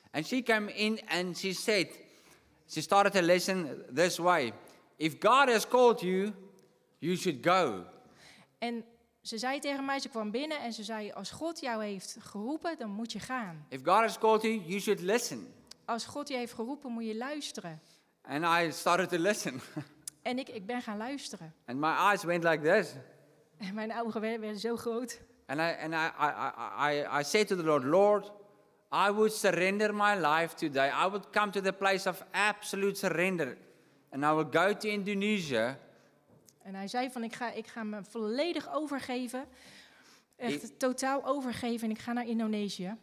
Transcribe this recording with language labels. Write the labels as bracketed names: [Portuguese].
[English] And she came in and she said, she started her lesson this way. If God has called you, you should go. [Dutch] En ze zei tegen mij, ze kwam binnen en ze zei, als God jou heeft geroepen, dan moet je gaan. [English] If God has called you, you should listen. [Dutch] Als God je heeft geroepen, moet je luisteren. [English] And I started to listen. [Dutch] En ik ben gaan luisteren. [English] And my eyes went like this. [Dutch] En mijn ogen werden zo groot. [English] And I said to the Lord, Lord, I would surrender my life today. I would come to the place of absolute surrender. And I will go to Indonesia. [Dutch] En hij zei van, ik ga me volledig overgeven. Echt totaal overgeven en ik ga naar Indonesië.